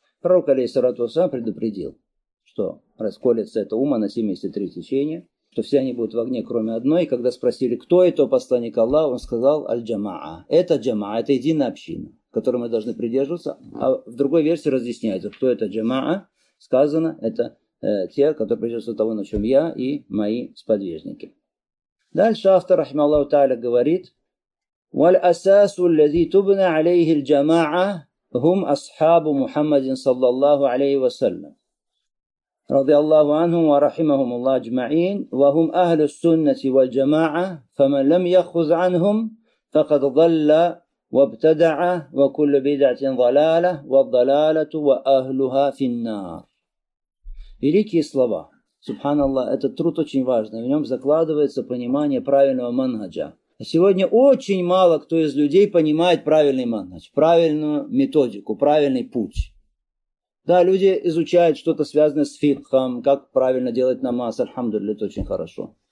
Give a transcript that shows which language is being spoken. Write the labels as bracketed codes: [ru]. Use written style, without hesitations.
[ru] Пророк алейхи салату ва салам предупредил, что расколется эта ума на 73 течения, что все они будут в огне, кроме одной. И когда спросили, кто это посланник Аллаха, он сказал, аль-джама'а. Это джама'а, это единая община, которой мы должны придерживаться. А в другой версии разъясняется, кто это джама'а. Сказано, это те, которые придерживаются того, на чем я и мои сподвижники. Дальше автор, рахмаллаху та'аля, говорит, [ar] وَالْأَسَاسُ الَّذِي تُبْنَ عَلَيْهِ الْجَمَاعَ هُمْ أَصْحَابُ مُحَمَّدٍ صَلَّى اللَّهُ عَلَيْهِ وَسَلَّمُ رضي الله عنهم ورحمهم الله أجمعين وهم أهل السنة والجماعة فمن لم يأخذ عنهم فقد ضل وابتدع وكل بدعة ضلالة والضلالة وأهلها في النار. [ru] Великие слова. Субханаллах, этот труд очень важный. В нем закладывается понимание правильного манхаджа. А сегодня очень мало кто из людей понимает правильный манхадж, правильную методику, правильный путь. Да, люди изучают что-то, связанное с фикхом, как правильно делать намаз, альхамдулиллях, это очень хорошо.